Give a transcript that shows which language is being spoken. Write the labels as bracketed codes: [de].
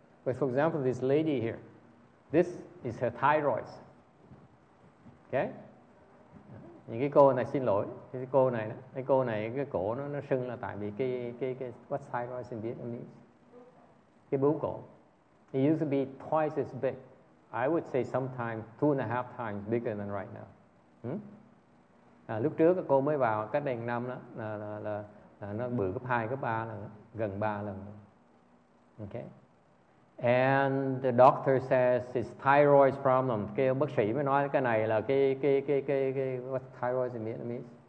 [en] But for example, this lady here, this is her thyroid. [vi] Okay, những cái cô này xin lỗi, cái cô này cái cổ nó sưng là tại vì cái [en] what thyroid in Vietnamese? [vi] Cái bướu cổ. [en] It used to be twice as big. I would say sometimes 2.5 times bigger than right now. [vi] Lúc trước cô mới vào cách đây 1 năm đó là nó bự gấp 2, gấp 3 lần, gần 3 lần. Okay. [en] And the doctor says it's thyroid problem. [vi] Cái ông bác sĩ mới nói cái này là cái [en] what thyroid in Vietnamese?